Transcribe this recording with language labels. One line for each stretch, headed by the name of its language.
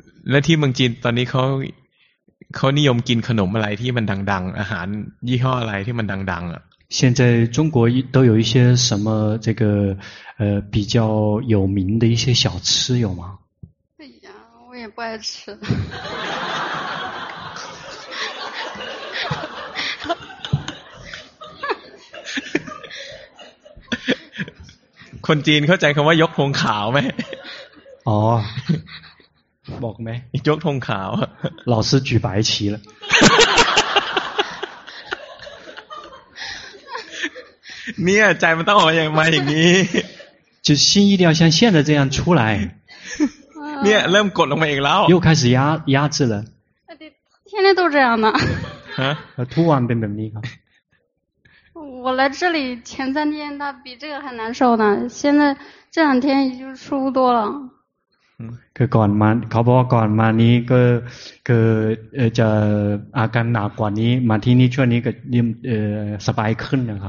Thai: และที่เมืองจีนตอนนี้เขานิยมกินขนมอะไรที่มันดังๆอาหารยี่ห้ออะไรที่มันดังๆอ่ะ
Chinese: 现在中国都有一些什么这个比较有名的一些小吃有吗？哎呀，我也不爱吃。
Thai: คนจีนเข้าใจคำว่ายกธงขาวไหม อ๋อบอกไหม ยกธงขาว
Chinese: 老师举白旗了
Thai: เนี่ยใจมันต้องออกมาอย่างนี้
Chinese: 就心一定要像现在这样出来
Thai: เนี่ยเริ่มกดลงมาอีกแล้ว
Chinese: 又开始压制了天天都这样呢突然变
Thai: แบบนี้ครับ
Chinese: 我来这里前三天他比这个还难受呢现在这两天已经舒服多了
Thai: คือก่อนมาเขาบอกก่อนมานี้ก็คือจะอาการหนักกว่านี้มาที่นี่ช่วงนี้ก็ยิ่งสบายขึ้นนะครับ